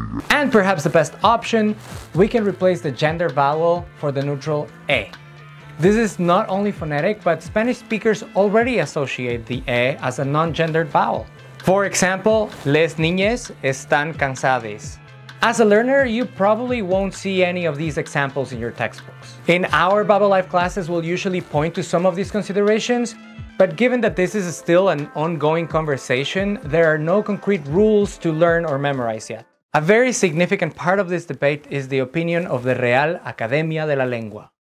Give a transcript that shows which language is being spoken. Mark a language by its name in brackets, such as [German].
[English] And perhaps the best option, we can replace the gender vowel for the neutral E. This is not only phonetic, but Spanish speakers already associate the E as a non-gendered vowel. For example, [Spanish] les niñes están cansadas. [English] As a learner, you probably won't see any of these examples in your textbooks. In our Babbel Life classes, we'll usually point to some of these considerations, but given that this is still an ongoing conversation, there are no concrete rules to learn or memorize yet. A very significant part of this debate is the opinion of the Real Academia de la Lengua.